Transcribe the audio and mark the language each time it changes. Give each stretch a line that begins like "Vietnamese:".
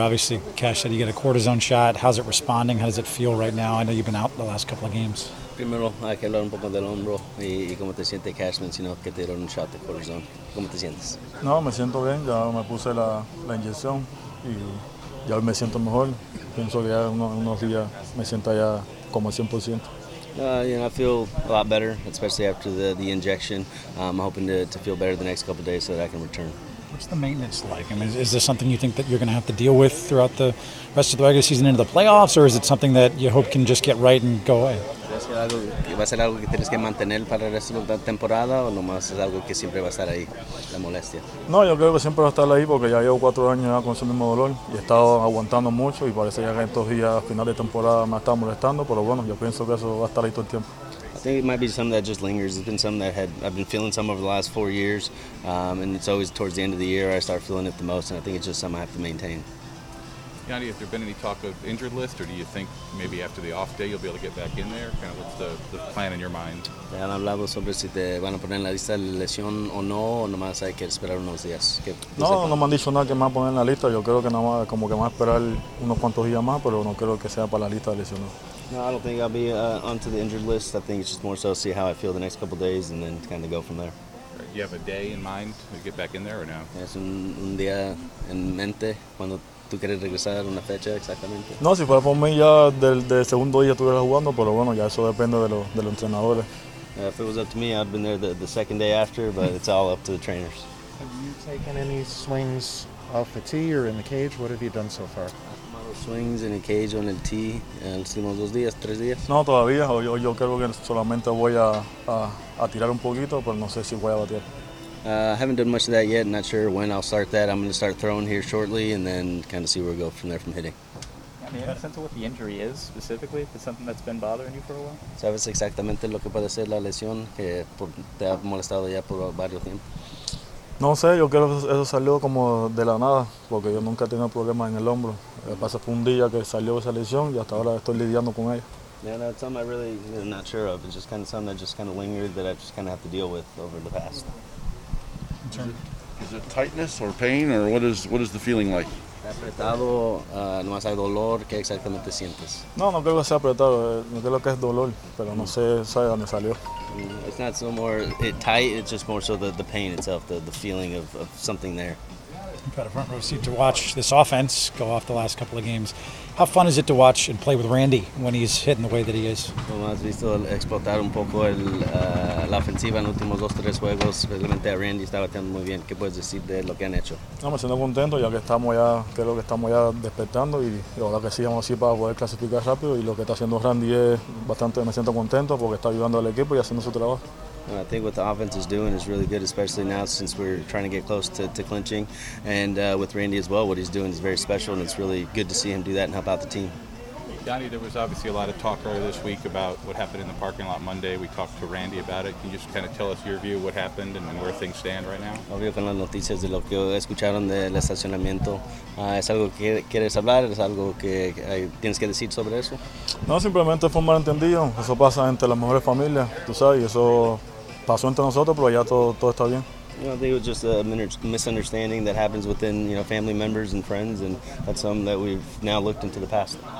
English: Obviously, Cash said you get a cortisone shot. How's it responding? How does it feel right now? I know you've been out the last couple of games.
Spanish: Primero, hay que hablar un poco del hombro y cómo te sientes, Cash, mencionó que te dieron un shot de cortisone. ¿Cómo te sientes? No, me siento bien. Ya me puse la inyección y ya me siento mejor. Pienso que ya unos días me siento ya como 100%.
English: I feel a lot better, especially after the injection. I'm hoping to feel better the next couple of days so that I can return. What's the maintenance like? I mean, is this something you think that you're going to have to deal with throughout the rest of the regular season into the playoffs, or is it something that you hope can just get right and go away?
Spanish: ¿Va a ser algo que tienes que mantener para el resto de la temporada o nomás es algo que siempre va a estar ahí, la molestia? No, yo creo que siempre va a estar ahí porque ya llevo 4 años con ese mismo dolor y he estado aguantando mucho y parece que estos días a final de temporada me está molestando, pero bueno, yo pienso que eso va a estar ahí todo el tiempo.
English: I think it might be something that just lingers. It's been something that I've been feeling some over the last 4 years and it's always towards the end of the year I start feeling it the most, and I think it's just something I have to maintain. Yandy, has there been any talk of injured list, or do you think maybe after the off day you'll be able to get back in there? Kind of what's the plan in your mind?
Spanish: Ya han hablado sobre si te van a poner en la lista de lesión o no, o nomás hay que esperar unos días. No me han dicho nada que me van a poner en la lista. Yo creo que nada más como que van a esperar unos cuantos días más, pero no creo que sea para la lista de lesionados.
English: No, I don't think I'll be onto the injured list. I think it's just more so see how I feel the next couple of days and then kind of go from there. Do you have a day in mind to get back in there or no?
Spanish: Es un día en mente cuando. ¿Tú quieres regresar una fecha exactamente? No, si fuera por mí ya del segundo día estuviera jugando, pero bueno, ya eso depende de los entrenadores.
English: If it was up to me, I'd been there the second day after, but it's all up to the trainers. Have you taken any swings off the tee or in the cage? What have you done so far? Swings in the cage on the tee
Spanish: en los últimos 2 días, 3 días. No, todavía. Yo creo que solamente voy a tirar un poquito, pero no sé si voy a batear.
English: I haven't done much of that yet. Not sure when I'll start that. I'm going to start throwing here shortly and then kind of see where we go from there from hitting. Yeah, do you have a sense of what the injury is specifically? If it's something that's been bothering you for a while?
Spanish: ¿Sabes exactamente lo que puede ser la lesión que te ha molestado ya por varios tiempo? No sé. Yo creo que eso salió como de la nada porque yo nunca he tenido problemas en el hombro. Pasó por un día que salió esa lesión y hasta ahora estoy lidiando con ella.
English: Yeah, no, it's something I really am not sure of. It's just kind of something that just kind of lingered that I just kind of have to deal with over the past. Is it tightness or pain, or what is the feeling like?
Spanish: Apretado, no más hay dolor. ¿Qué exactamente sientes? No creo que sea apretado. No creo que es dolor, pero no sé, sabe dónde salió.
English: It's not so more it tight. It's just more so the pain itself, the feeling of something there. You've had a front row seat to watch this offense go off the last couple of games. How fun is it to watch and play with Randy when he's hitting the way that he is?
Spanish: Como has visto explotar un poco la ofensiva en los últimos 2-3 juegos, realmente Randy está bateando muy bien. ¿Qué puedes decir de lo que han hecho? No, me siento contento ya que estamos ya, creo que estamos ya despertando y ahora que sigamos así para poder clasificar rápido y lo que está haciendo Randy es bastante, me siento contento porque está ayudando al equipo y haciendo su trabajo.
English: I think what the offense is doing is really good, especially now since we're trying to get close to clinching. And with Randy as well, what he's doing is very special, and it's really good to see him do that and help out the team. Yandy, there was obviously a lot of talk earlier this week about what happened in the parking lot Monday. We talked to Randy about it. Can you just kind of tell us your view of what happened and where things stand right now?
Spanish: Obvio con las noticias de lo que escucharon del estacionamiento. ¿Es algo que quieres hablar? ¿Es algo que tienes que decir sobre eso? No, simplemente fue un malentendido. Eso pasa entre las mejores familias, tú sabes, y eso pasó entre nosotros, pero ya todo está bien.
English: You know, I think it was just a misunderstanding that happens within, you know, family members and friends, and that's something that we've now looked into the past.